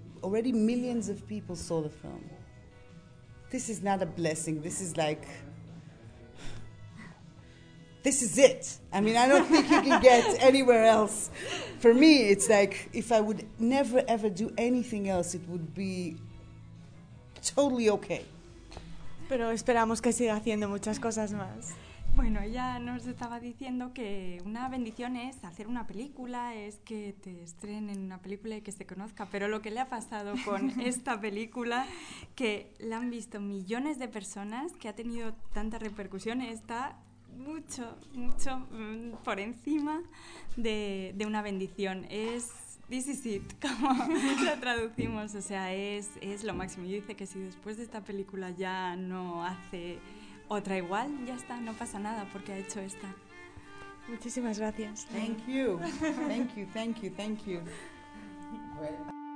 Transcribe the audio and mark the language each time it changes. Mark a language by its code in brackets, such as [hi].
[en] Already millions of people saw the film. This is not a blessing. This is like... This is it. I mean, I don't think you can get anywhere else. For me, it's like, if I would never ever do anything else, it would be totally okay. [es] Pero esperamos que siga haciendo muchas cosas más. Bueno, ya nos estaba diciendo que una bendición es hacer una película, es que te estrenen una película y que se conozca, pero lo que le ha pasado con esta película, que la han visto millones de personas, que ha tenido tanta repercusión, está mucho, mucho por encima de una bendición. Es [en] this is it, [es] como lo traducimos, o sea, es lo máximo. Y dice que si después de esta película ya no hace otra igual, ya está, no pasa nada porque ha hecho esta. Muchísimas gracias. [en] Thank you. Thank you, thank you, thank you. Well,